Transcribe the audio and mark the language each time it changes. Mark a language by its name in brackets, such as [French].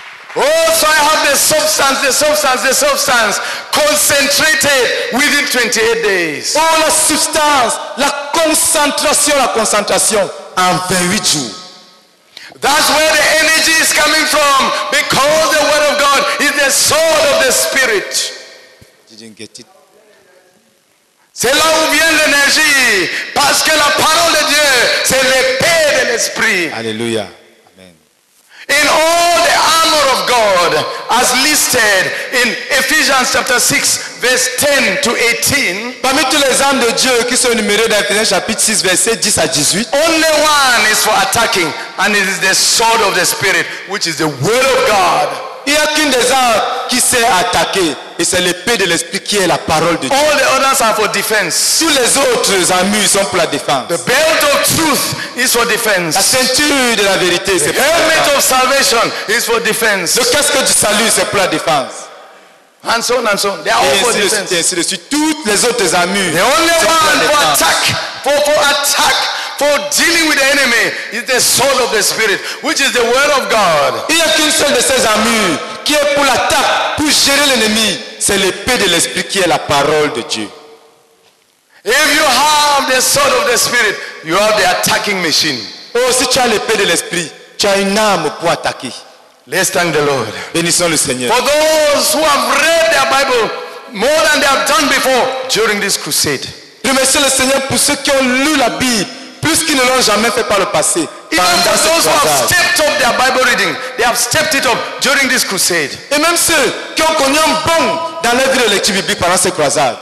[English] Oh, so I have the substance concentrated within 28 days. [French] Oh, la substance, la concentration en 28 jours. [English] That's where the energy is coming from, because the word of God is the sword of the spirit. Didn't get it. [French] C'est là où vient l'énergie, parce que la parole de Dieu, c'est l'épée de l'esprit. Alléluia. [English] in all the armor of God as listed in Ephesians chapter 6 verse 10 to 18. [French] Parmi tous les armes de Dieu qui sont énumérées dans Ephesians chapitre 6 verset 10 à 18, [English] only one is for attacking, and it is the sword of the Spirit, which is the word of God. [French] Il n'y a qu'une des armes qui sait attaquer, et c'est l'épée de l'esprit qui est la parole de Dieu. [English] All the others are for defense. [French] Tous les autres armures sont pour la défense. [English] The belt of truth is for defense. [French] La ceinture de la vérité, c'est pour la défense. [English] Helmet of salvation is for defense. [French] Le casque du salut, c'est pour la défense. [English] And so on and so on. They are all for defense. [French] Ainsi de suite. Toutes les autres armures. [English] The only one for attack, for attack, for dealing with the enemy is the sword of the Spirit, which is the word of God. [French] Il n'y a qu'une seule de ces armures qui est pour l'attaque, pour gérer l'ennemi. C'est l'épée de l'esprit qui est la parole de Dieu. [English] If you have the sword of the Spirit, you have the attacking machine. [French] Oh, si tu as l'épée de l'esprit, tu as une arme pour attaquer. [English] Let's thank the Lord. [French] Bénissons le Seigneur. [English] For those who have read their Bible more than they have done before during this crusade. [French] Remercions le Seigneur pour ceux qui ont lu la Bible plus qu'ils ne l'ont jamais fait par le passé. [English] Even those who have stepped up their Bible reading, they have stepped it up during this crusade. [French] Et même ceux qui ont connu un bon dans leur vie de lecture biblique pendant cette croisade.